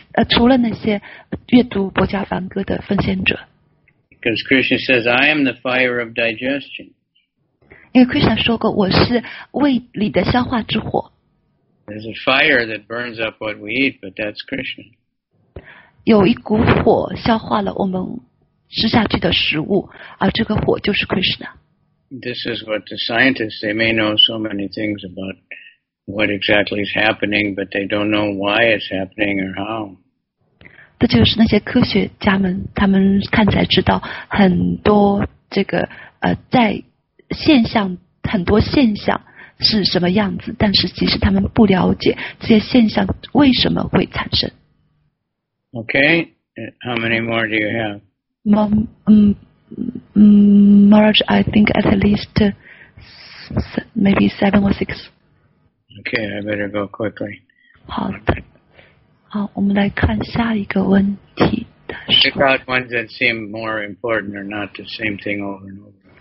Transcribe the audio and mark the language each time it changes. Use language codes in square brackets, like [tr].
[zh] 除了那些阅读《博伽梵歌》的奉献者。 [en] Because Krishna says, I am the fire of digestion. [zh] 因为 Krishna 说过，我是胃里的消化之火。 [en] There's a fire that burns up what we eat, but that's Krishna. [zh] 有一股火消化了我们吃下去的食物，而这个火就是 Krishna。 [en] This is what the scientists, they may know so many things about what exactly is happening, but they don't know why it's happening or how. [zh] 这就是那些科学家们，他们看起来知道很多这个在现象，很多现象是什么样子，但是其实他们不了解这些现象为什么会产生。 [en] Okay, how many more do you have? Maharaj, I think at least maybe 7 or 6. Okay, I better go quickly. [zh] 好的，好，我们来看下一个问题的时候。 [en] Pick out ones that seem more important or not the same thing over and over.